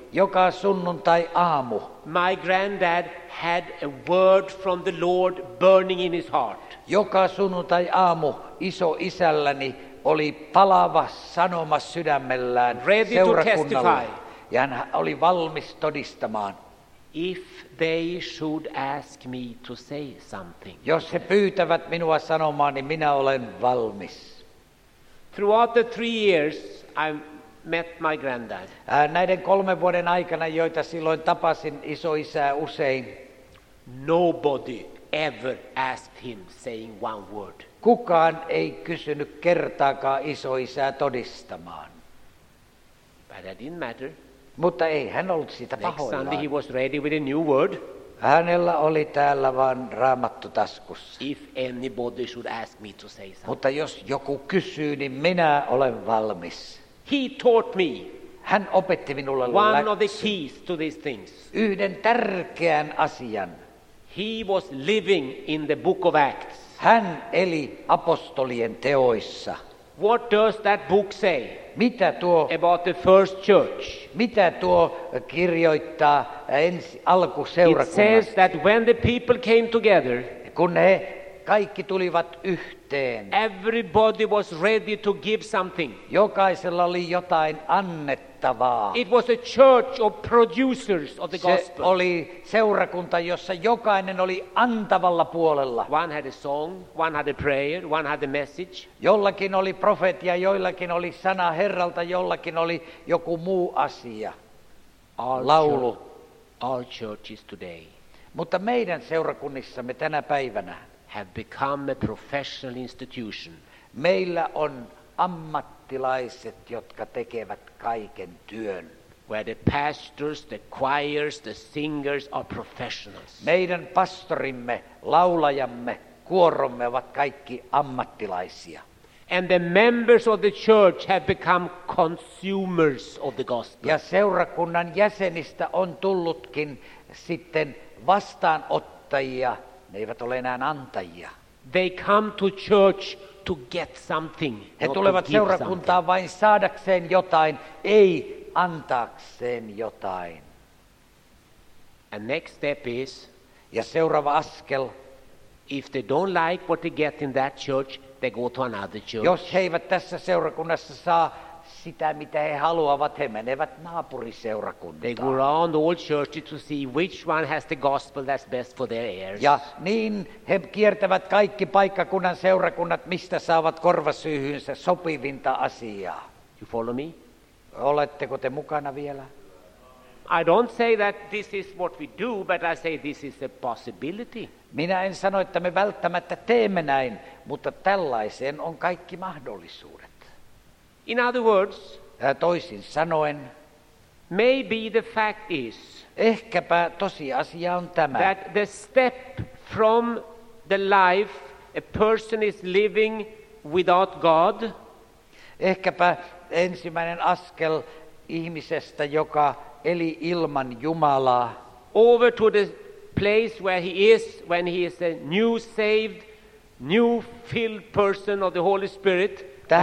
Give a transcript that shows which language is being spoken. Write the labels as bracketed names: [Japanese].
[Finnish] joka sunnuntai aamu, [English] my granddad had a word from the Lord burning in his heart. [Finnish] Joka sunnuntai aamu iso isälläni oli palava sanoma sydämellään [English] ready [Finnish] seurakunnalle. [English] To testify, [Finnish] ja hän oli valmis todistamaan. [English] If they should ask me to say something. [Finnish] Jos he pyytävät minua sanomaan, niin minä olen valmis. [English] Throughout the 3 years, I met my granddad. [Finnish] Näiden 3 vuoden aikana, joita silloin tapasin isoisää usein, [English] nobody ever asked him saying one word. [Finnish] Kukaan ei kysynyt kertaakaan isoisää todistamaan. [English] But that didn't matter. [Finnish] Mutta ei hän ollut siitä pahoillaan. [English] Next Sunday he was ready with a new word. [Finnish] Hänellä oli täällä vain Raamattu taskussa. [English] If anybody should ask me to say something. [Finnish] Mutta jos joku kysyy, niin minä olen valmis. [English] He taught me. [Finnish] Hän opetti minulle [English] one of the keys to these things. [Finnish] Yhden tärkeän asian. [English] He was living in the book of Acts. [Finnish] Hän eli apostolien teoissa. [English] What does that book say? [Finnish] Mitä tuo, [English] about the first church. [Finnish] Mitä tuo kirjoittaa alkuseurakunnasta? [English] It says that when the people came together, [Finnish] kun he kaikki tulivat yhteen, [English] everybody was ready to give something. [Finnish] Jokaisella oli jotain annettavaa. [English] It was a church of producers of the [Finnish] Se [English] gospel. [Finnish] Se oli seurakunta, jossa jokainen oli antavalla puolella. [English] One had a song, one had a prayer, one had a message. [Finnish] Jollakin oli profetia, joillakin oli sana Herralta, jollakin oli joku muu asia. Laulu. [English] All churches today. [Finnish] Mutta meidän seurakunnissamme tänä päivänä [English] have become a professional institution. [Finnish] Meillä on ammattilaiset, jotka tekevät kaiken työn. [English] Where the pastors, the choirs, the singers are professionals. [Finnish] Meidän pastorimme, laulajamme, kuoromme ovat kaikki ammattilaisia. [English] And the members of the church have become consumers of the gospel. [Finnish] Ja seurakunnan jäsenistä on tullutkin sitten vastaanottajia. Ne eivät ole enää antajia. [English] They come to church to get something. [Finnish] He tulevat seurakuntaan vain saadakseen jotain, ei antaakseen jotain. [English] And next step is, [Finnish] ja seuraava askel, [English] if they don't like what they get in that church, they go to another church. [Finnish] Jos he eivät tässä seurakunnassa saa sitä, mitä he haluavat, he menevät naapuriseurakuntaan. [English] They go around all churches to see which one has the gospel that's best for their ears. [Finnish] Ja niin he kiertävät kaikki paikkakunnan seurakunnat, mistä saavat korvasyyhynsä sopivinta asiaa. [English] You follow me? [Finnish] Oletteko te mukana vielä? [English] I don't say that this is what we do, but I say this is a possibility. [Finnish] Minä en sano, että me välttämättä teemme näin, mutta tällaiseen on kaikki mahdollisuudet. [English] In other words, [Finnish] toisin sanoen, [English] maybe the fact is, [Finnish] ehkäpä tosiasia on tämä, [English] that the step from the life a person is living without God, [Finnish] ehkäpä ensimmäinen askel ihmisestä, joka eli ilman Jumalaa, [English] over to the place where he is when he is a new saved, new filled person of the Holy Spirit.